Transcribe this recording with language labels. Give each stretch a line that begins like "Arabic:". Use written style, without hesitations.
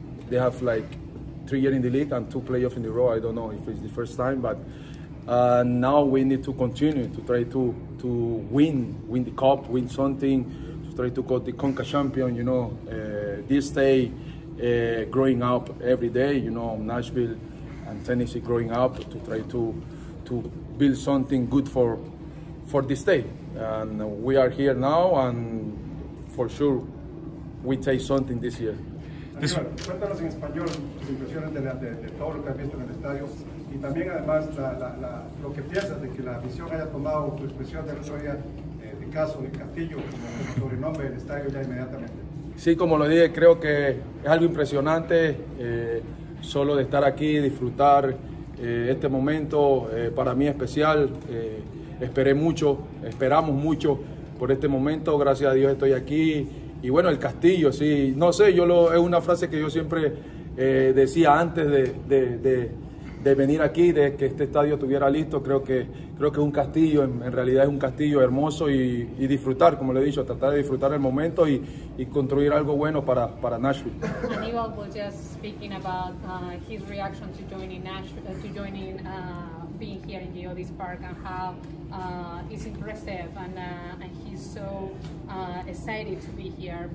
English: They have like 3 years in the league and 2 playoffs in the row. I don't know if it's the first time, but now we need to continue to try to win the cup, win something, to try to go the CONCACAF champion, this day, growing up every day, Nashville and Tennessee growing up, to try to build something good for this day. And we are here now, and for sure we take something this year.
Spanish: Cuéntanos en español tus impresiones de todo lo que has visto en el estadio y también además lo que piensas de que la afición haya tomado tu expresión de otro día de caso de Castillo sobre el nombre del estadio ya inmediatamente. Sí, como lo dije, creo que es algo impresionante solo de estar aquí, disfrutar este momento para mí especial. Esperé mucho, esperamos mucho por este momento. Gracias a Dios estoy aquí. Y bueno, el castillo, sí, no sé, es una frase que yo siempre decía antes de venir aquí, de que este estadio estuviera listo. Creo que es un castillo, en realidad es un castillo hermoso y disfrutar, como le he dicho, tratar de disfrutar el momento y construir algo bueno para Nashville.
English: Aníbal was just speaking about his reaction to joining Nashville, to joining being here in GEODIS Park and how it's impressive and he's so excited to be here.